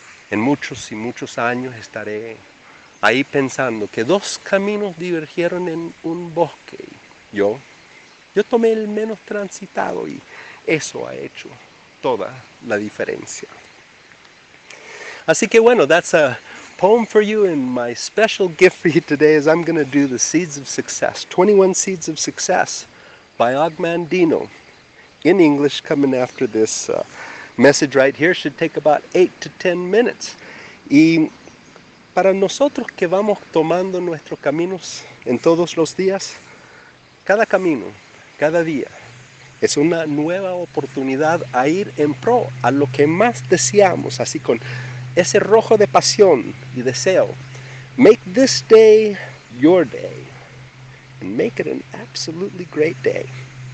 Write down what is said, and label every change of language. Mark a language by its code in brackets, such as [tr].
[es] En muchos y muchos años estaré ahí pensando que dos caminos divergieron en un bosque. Yo tomé el menos transitado y eso ha hecho toda la diferencia. Así que bueno, [en] that's a poem for you, and my special gift for you today is I'm going to do The Seeds of Success, 21 Seeds of Success by Og Mandino in English coming after this message right here. Should take about 8 to 10 minutes. [es] Y para nosotros que vamos tomando nuestros caminos en todos los días, cada camino, cada día, es una nueva oportunidad a ir en pro a lo que más deseamos, así con ese rojo de pasión y deseo. [en] Make this day your day. And make it an absolutely great day.